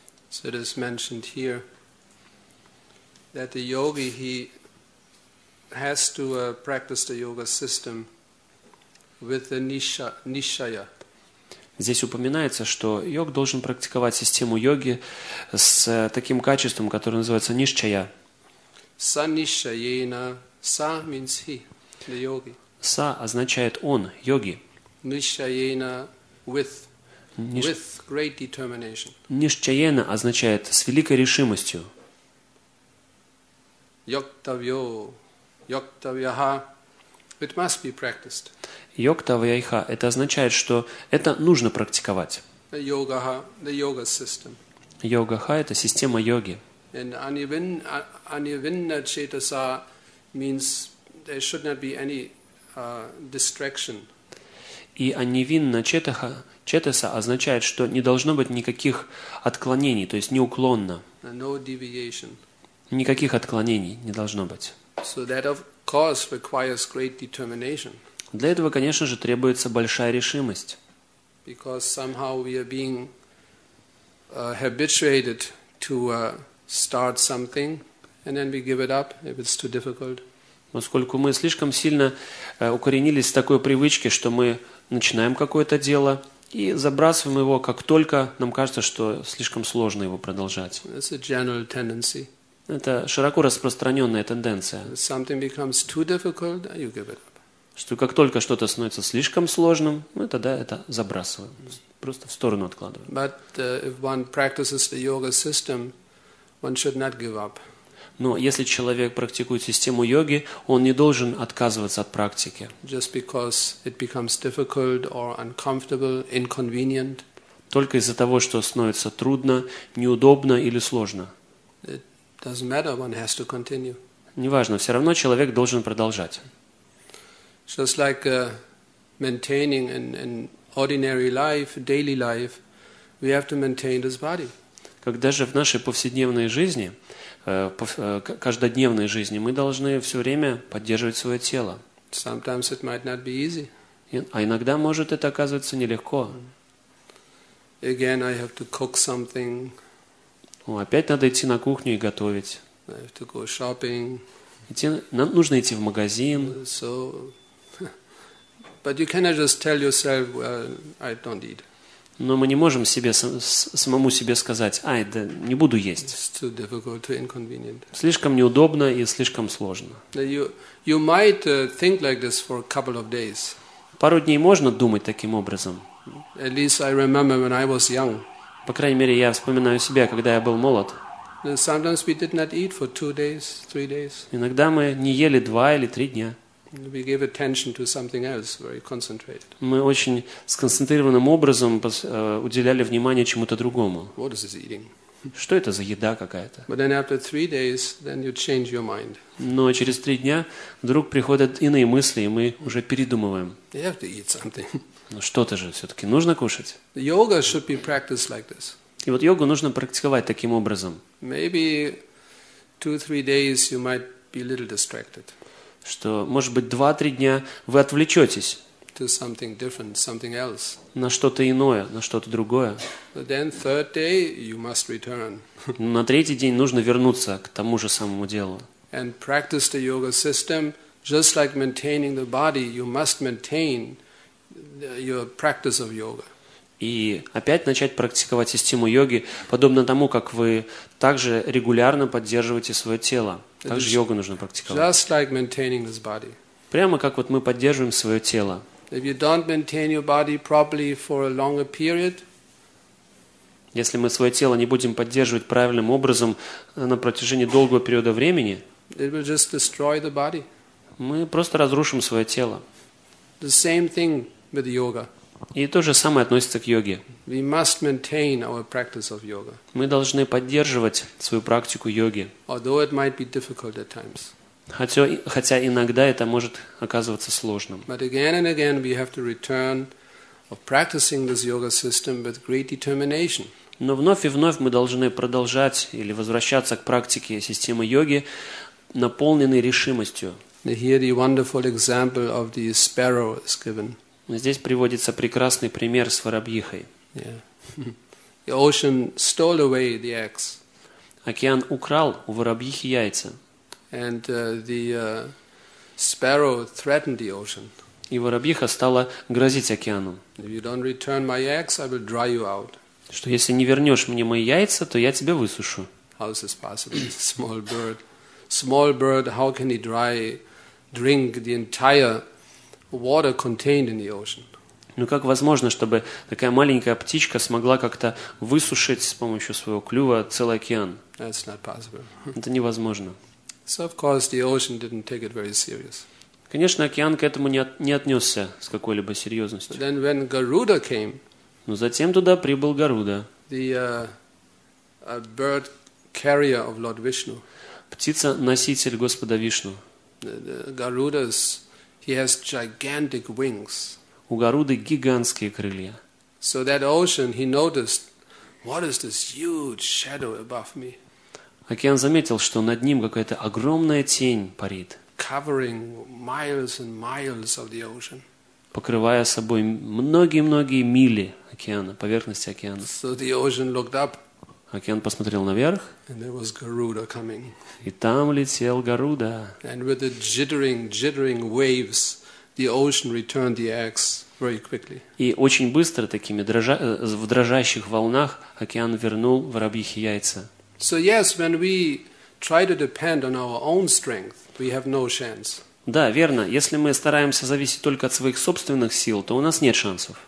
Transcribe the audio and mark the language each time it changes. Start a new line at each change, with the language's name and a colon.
English: So it is mentioned here that the yogi, he has to practice the yoga system with the nishaya.
Russian: Здесь упоминается, что йог должен практиковать систему йоги с таким качеством, которое называется нишчая.
English: Са нишчаена, са means he, the yogi.
Russian: Са означает он, йоги.
English: Нишчаена with. With great determination.
Russian: Нишчаена означает с великой решимостью.
English: Йоктавьо, йоктавьяха, it must be practiced.
Russian: Йоктавьяйха, это означает, что это нужно практиковать.
English: Йогаха, the yoga system.
Russian: Йогаха, это система йоги.
English: And anivinna chetasa means there should not be any distraction.
Russian: И анивинна четаха, четаса означает, что не должно быть никаких отклонений, то есть неуклонно.
English: No deviation.
Russian: Никаких отклонений не должно быть.
English: So that of course, requires great determination.
Russian: Для этого, конечно же, требуется большая решимость.
English: Because somehow we are being habituated to start something, and then we give it up if it's too difficult.
Russian: Поскольку мы слишком сильно укоренились в такой привычке, что мы начинаем какое-то дело и забрасываем его, как только нам кажется, что слишком сложно его продолжать.
English: It's a general tendency.
Russian: Это широко распространенная тенденция.
English: If something becomes too difficult, you give it up.
Russian: Что как только что-то становится слишком сложным, мы тогда это забрасываем, просто в сторону откладываем.
English: But if one practices the yoga system, one should not give up.
Russian: Но если человек практикует систему йоги, он не должен отказываться от практики.
English: Just because it becomes difficult or uncomfortable, inconvenient.
Russian: Только из-за того, что становится трудно, неудобно или сложно.
English: It doesn't matter, one has to continue.
Russian: Неважно, все равно человек должен продолжать.
English: Just like maintaining an ordinary life, daily life, we have to maintain this body.
Russian: Когда же в нашей повседневной жизни, каждодневной жизни, мы должны все время поддерживать свое тело.
English: Sometimes it might not be easy.
Russian: А иногда может это оказываться нелегко.
English: Again, I have to cook something.
Russian: Опять надо идти на кухню и готовить.
English: I have to go shopping.
Russian: Нам нужно идти в магазин.
English: So, but you cannot just tell yourself, well, I don't eat.
Russian: Но мы не можем себе, самому себе сказать, ай, да не буду есть.
English: It's too difficult, too inconvenient.
Russian: Слишком неудобно и слишком сложно.
English: You might think like this for a couple of days.
Russian: Пару дней можно думать таким образом.
English: At least I remember when I was young.
Russian: По крайней мере, я вспоминаю себя, когда я был молод.
English: Sometimes we did not eat for two days, three days.
Russian: Иногда мы не ели два или три дня.
English: We gave attention to something else, very concentrated.
Russian: Мы очень сконцентрированным образом уделяли внимание чему-то другому.
English: What is this eating?
Russian: Что это за еда какая-то?
English: But then after three days, then you change your mind.
Russian: Но через три дня вдруг приходят иные мысли, и мы уже передумываем.
English: You have to eat something.
Russian: Но что-то же все-таки нужно кушать.
English: Yoga should be practiced like this.
Russian: И вот йогу нужно практиковать таким образом.
English: Maybe two-three days you might be a little distracted.
Russian: Что, может быть, 2-3 дня вы отвлечетесь
English: to something different, something else.
Russian: На что-то иное, на что-то другое.
English: But then third day you must return.
Russian: На третий день нужно вернуться к тому же самому делу.
English: And practice the yoga system just like maintaining the body, you must maintain your practice of yoga.
Russian: И опять начать практиковать систему йоги, подобно тому, как вы также регулярно поддерживаете свое тело. Также йогу нужно практиковать.
English: Just like maintaining this body.
Russian: Прямо как вот мы поддерживаем свое тело.
English: If you don't maintain your body properly for a longer period,
Russian: если мы свое тело не будем поддерживать правильным образом на протяжении долгого периода времени,
English: it will just destroy the body.
Russian: Мы просто разрушим свое тело.
English: The same thing with yoga.
Russian: И то же самое относится к йоге.
English: We must maintain our practice of yoga.
Russian: Мы должны поддерживать свою практику йоги.
English: Although it might be difficult at times.
Russian: Хотя иногда это может оказываться сложным.
English: But again and again we have to return of practicing this yoga system with great determination.
Russian: Но вновь и вновь мы должны продолжать или возвращаться к практике системы йоги, наполненной решимостью.
English: Here the wonderful example of the sparrow is given.
Russian: Здесь приводится прекрасный пример с воробьихой. Yeah.
English: The ocean stole away the eggs.
Russian: Океан украл у воробьихи яйца.
English: And the sparrow threatened the ocean.
Russian: И воробьиха стала грозить океану.
English: If you don't return my eggs, I will dry you out.
Russian: Что если не вернешь мне мои яйца, то я тебя высушу.
English: How is this possible? Small bird, how can he drink the entire water contained in the ocean.
Russian: Ну как возможно, чтобы такая маленькая птичка смогла как-то высушить с помощью своего клюва целый океан?
English: That's not possible.
Russian: Это невозможно.
English: So of course the ocean didn't take it very serious.
Russian: Конечно, океан к этому не отнесся с какой-либо серьезностью.
English: But then when Garuda came,
Russian: но затем туда прибыл Гаруда.
English: The bird carrier of Lord Vishnu.
Russian: Птица-носитель Господа Вишну.
English: He has gigantic wings.
Russian: У Гаруды гигантские крылья.
English: So that ocean, he noticed, what is this huge shadow above me?
Russian: Океан заметил, что над ним какая-то огромная тень парит.
English: covering miles and miles of the ocean.
Russian: Покрывая собой многие-многие мили океана, поверхности океана.
English: So the ocean looked up.
Russian: Океан посмотрел наверх.
English: And there was Garuda coming.
Russian: И там летел Гаруда.
English: And with the jittering waves, the ocean returned the axe very quickly.
Russian: И очень быстро такими в дрожащих волнах океан вернул воробьих яйца.
English: So yes, when we try to depend on our own strength, we have no chance.
Russian: Да, верно. Если мы стараемся зависеть только от своих собственных сил, то у нас нет шансов.